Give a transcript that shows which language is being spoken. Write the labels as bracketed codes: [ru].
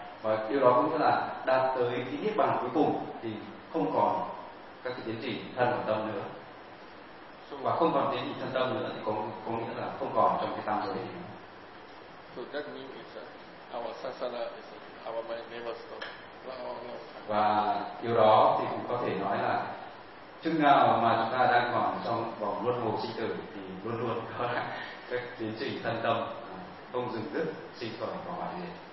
[vi] Và điều đó cũng là đạt tới cái niết bàn cuối cùng thì không còn các cái tiến trình thân và tâm nữa, và không còn tiến trình thân tâm nữa thì có nghĩa là không còn trong cái tam giới nữa. [en] So that means our sasana is our mind never stops. [vi] Và điều đó thì cũng có thể nói là chừng nào mà chúng ta đang còn trong vòng luân hồi sinh tử thì luôn luôn có các tiến trình thân tâm không dừng dứt, sinh khởi và hoàn diệt.